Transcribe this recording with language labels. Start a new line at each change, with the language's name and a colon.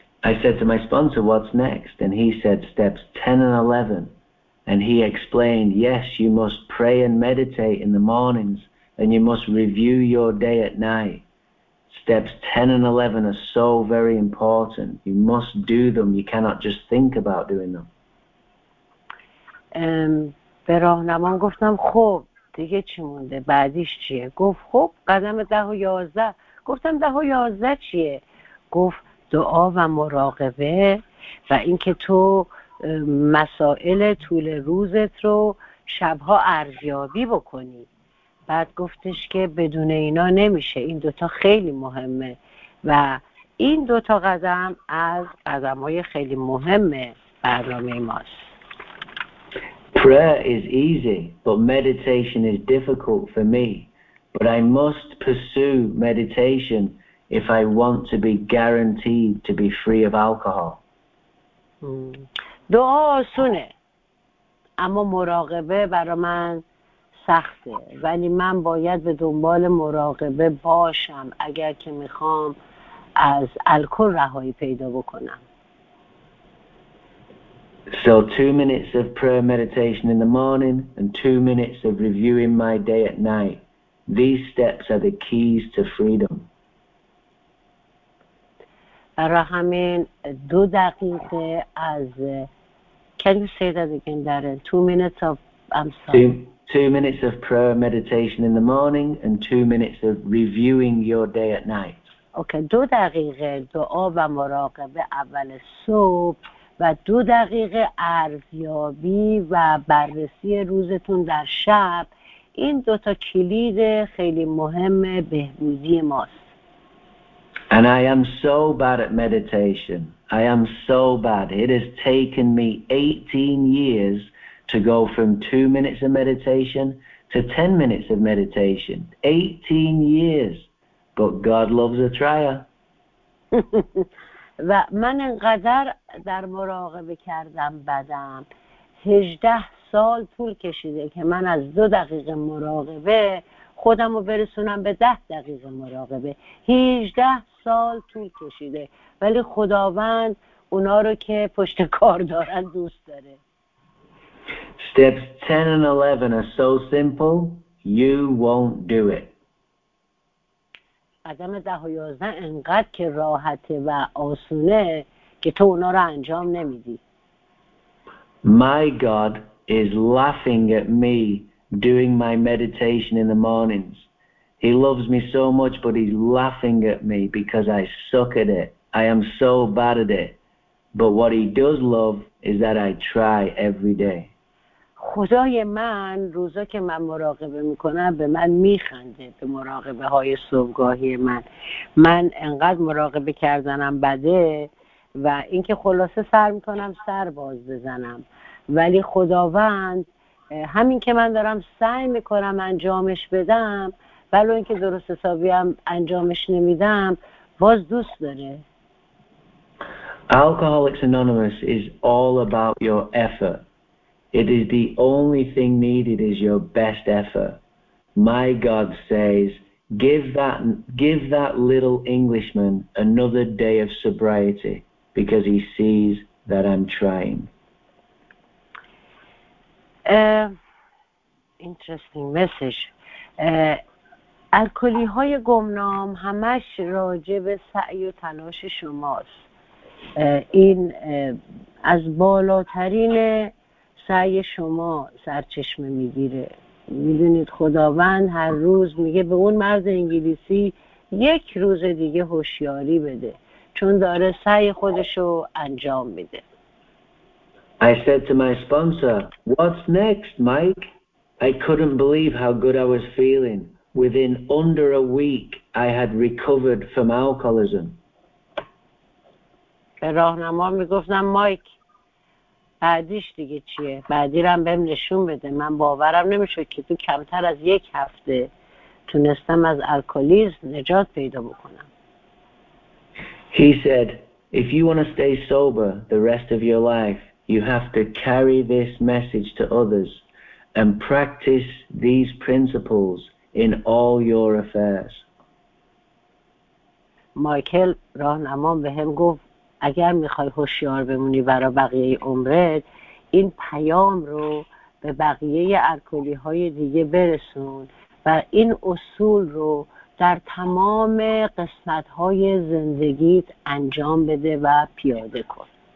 English: I said to my sponsor, "What's next?" And he said, "Steps 10 and 11. And he explained, "Yes, you must pray and meditate in the mornings, and you must review your day at night. Steps 10 and 11 are so very important. You must do them. You cannot just think about doing them."
Persian: به راهنمان گفتم خب دیگه چی مونده، بعدیش چیه؟ گفت خب قدم 10 و 11. گفتم 10 و 11 چیه؟ گفت دعا و مراقبه و اینکه تو مسائل طول روزت رو شبها ارزیابی بکنی. بعد گفتش که بدون اینا نمیشه، این دوتا خیلی مهمه و این دوتا قدم از قدمهای خیلی مهمه برنامه ماست.
English: Prayer is easy, but meditation is difficult for me. But I must pursue meditation if I want to be guaranteed to be free of alcohol.
Persian: دعا آسونه، اما مراقبه برای من سخته. ولی من باید به دنبال مراقبه باشم اگر که میخوام از الکل رهایی پیدا بکنم.
English: So 2 minutes of prayer meditation in the morning and 2 minutes of reviewing my day at night. These steps are the keys to freedom.
Persian: برای همین 2 دقیقه از
English: can you say that again, Darren? 2 minutes of I'm sorry. Two minutes of prayer meditation in the morning and 2 minutes of reviewing your day at night.
Persian: Okay, 2 دقیقه دعا و مراقبه اول صبح و 2 دقیقه ارزیابی و بررسی روزتون در شب، این دوتا کلید خیلی مهم بهبودی ماست.
English: And I am so bad at meditation. I am so bad. It has taken me 18 years to go from 2 minutes of meditation to 10 minutes of meditation. 18 years. But God loves a tryer.
Persian: و من انقدر در مراقبه کردم بدم، 18 سال طول کشیده که من از 2 دقیقه مراقبه خودم رو برسونم به 10 دقیقه مراقبه. 18 سال طول کشیده، ولی خداوند اونا رو که پشت کار دارن دوست داره.
English: Steps 10 and 11 are so simple, you won't do it.
Persian: قدم 10 و 11 انقدر که راحته و آسونه که تو اونا رو انجام نمیدی.
English: My God is laughing at me doing my meditation in the mornings. He loves me so much, but he's laughing at me because I suck at it. I am so bad at it. But what he does love is that I try every day.
Persian: خدای من روزا که من مراقبه میکنم به من میخنده، به مراقبه های صبحگاهی من. من انقدر مراقبه کردنم بده و اینکه خلاصه سر میکنم سر باز بزنم، ولی خداوند همین که من دارم سعی میکنم انجامش بدم ولو اینکه درست حسابی هم انجامش نمیدم باز دوست داره.
English: Alcoholics Anonymous is all about your effort. It is the only thing needed is your best effort. My God says, give that little Englishman another day of sobriety because he sees that I'm trying. Interesting message.
Persian: الکلی های گمنام همش راجع به سعی و تلاش شماست. این از بالاترین سعی شما سرچشمه میگیره. میدونید خداوند هر روز میگه به اون مرد انگلیسی یک روز دیگه هوشیاری بده، چون داره سعی خودشو انجام میده.
English: I said to my sponsor, "What's next, Mike? I couldn't believe how good I was feeling. Within under a week, I had recovered from alcoholism."
Persian: راهنما میگفتم مایک بعدیش دیگه چیه؟ بعدی رو هم بهم نشون بده. من باورم نمیشد که تو کمتر از یک هفته تونستم از الکلیسم نجات پیدا بکنم.
English: He said, "If you want to stay sober the rest of your life, you have to carry this message to others and practice these principles in all your affairs."
Persian: مایکل راهنمام بهم گفت اگر میخوای هوشیار بمونی برای بقیه عمرت، این پیام رو به بقیه الکلی های دیگه برسون و این اصول رو در تمام قسمت های زندگیت انجام بده و پیاده کن.